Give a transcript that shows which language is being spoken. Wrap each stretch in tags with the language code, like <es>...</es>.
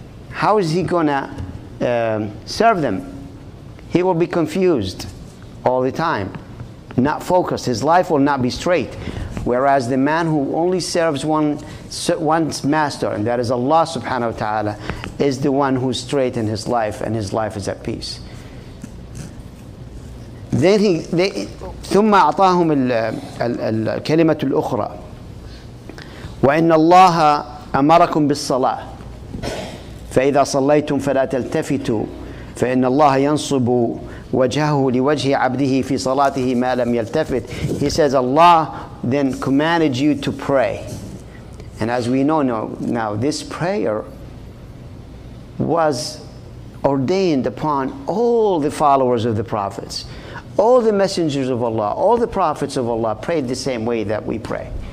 <en>How is he going to serve them? He will be confused all the time. Not focused. His life will not be straight. Whereas the man who only serves one master, and that is Allah subhanahu wa ta'ala, is the one who's straight in his life, and his life is at peace.</en> <ar>Then ثم أعطاهم الكلمة الأخرى وإن الله أمركم بالصلاة فإذا صليتم فلا تلتفتوا فإن الله ينصب وجهه لوجه عبده في صلاته ما لم يلتفت.</ar> <en>He says Allah then commanded you to pray. And as we know now, this prayer was ordained upon all the followers of the prophets. All the messengers of Allah, all the prophets of Allah prayed the same way that we pray.</en>